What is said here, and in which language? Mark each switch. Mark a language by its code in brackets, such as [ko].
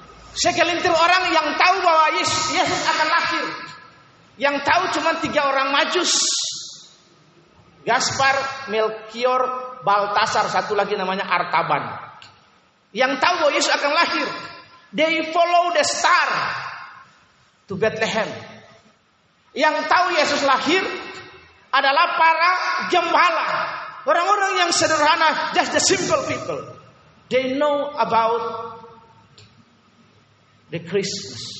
[id] Segelintir orang yang tahu bahwa Yesus akan lahir. Yang tahu cuma 3 orang majus. Gaspar, Melchior, Baltasar, satu lagi namanya Artaban. Yang tahu bahwa Yesus akan lahir. [en] They follow the star to Bethlehem. [id] Yang tahu Yesus lahir adalah para gembala, orang-orang yang sederhana, [en] just the simple people. They know about the Christmas.